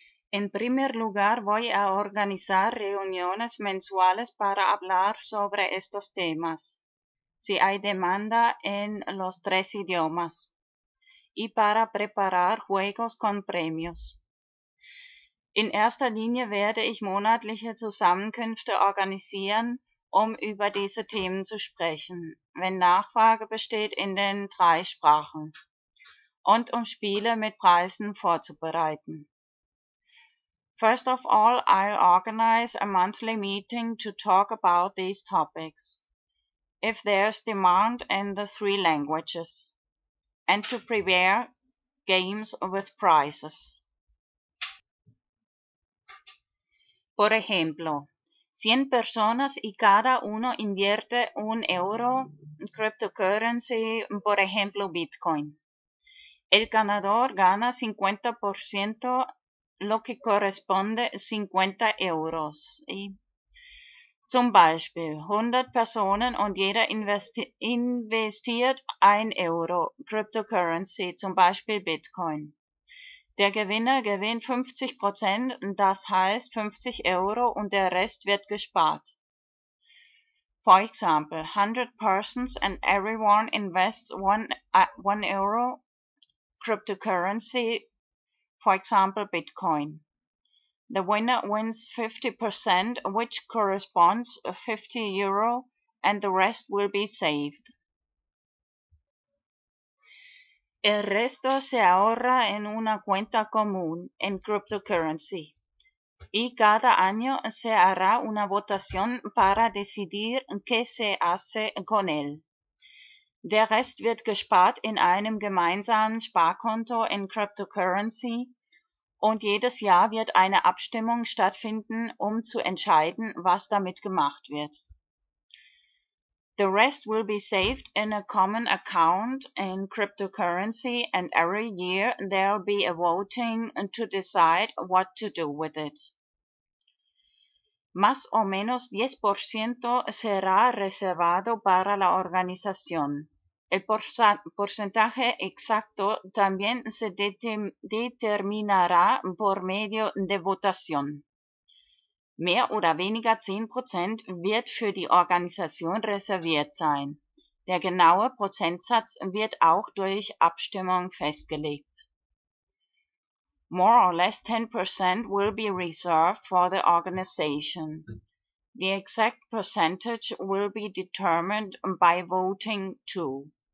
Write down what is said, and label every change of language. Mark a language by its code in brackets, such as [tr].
[es] En primer lugar, voy a organizar reuniones mensuales para hablar sobre estos temas, si hay demanda en los tres idiomas, y para preparar juegos con premios. [de] In erster Linie werde ich monatliche Zusammenkünfte organisieren, um über diese Themen zu sprechen, wenn Nachfrage besteht in den drei Sprachen, und um Spiele mit Preisen vorzubereiten. [en] First of all, I'll organize a monthly meeting to talk about these topics, if there's demand in the three languages, and to prepare games with prizes. [es] Por ejemplo, 100 personas y cada uno invierte un euro en cryptocurrency, por ejemplo Bitcoin. El ganador gana 50%, lo que corresponde 50 euros. [de] Y zum Beispiel 100 personen und jeder investiert 1 euro cryptocurrency, zum Beispiel Bitcoin. Der Gewinner gewinnt 50%, das heißt 50 Euro und der Rest wird gespart. [en] For example, 100 persons and everyone invests 1 euro cryptocurrency, for example Bitcoin. The winner wins 50%, which corresponds to 50 euro, and the rest will be saved. [es] El resto se ahorra en una cuenta común, en cryptocurrency. Y cada año se hará una votación para decidir qué se hace con él. [de] Der Rest wird gespart in einem gemeinsamen Sparkonto in cryptocurrency, und jedes Jahr wird eine Abstimmung stattfinden, um zu entscheiden, was damit gemacht wird. [en] The rest will be saved in a common account in cryptocurrency, and every year there'll be a voting to decide what to do with it. [es] Más o menos 10% será reservado para la organización. El porcentaje exacto también se determinará por medio de votación. [de] Mehr oder weniger 10% wird für die Organisation reserviert sein. Der genaue Prozentsatz wird auch durch Abstimmung festgelegt. [en] More or less 10% will be reserved for the organization. The exact percentage will be determined by voting too.